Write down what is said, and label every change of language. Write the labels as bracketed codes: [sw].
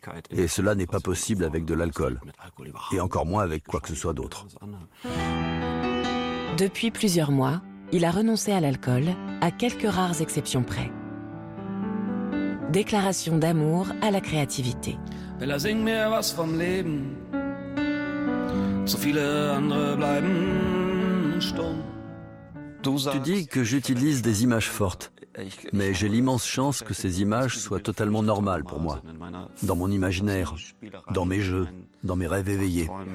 [fr] Et cela n'est pas possible avec de l'alcool, et encore moins avec quoi que ce soit d'autre. Depuis plusieurs mois, il a renoncé à l'alcool, à quelques rares exceptions près. Déclaration d'amour à la créativité. [de] Bella, sing mir was vom Leben. So viele andere bleiben stumm. [fr] Tu dis que j'utilise des images fortes, mais j'ai l'immense chance que ces images soient totalement normales pour moi, dans mon imaginaire, dans mes jeux, dans mes rêves éveillés.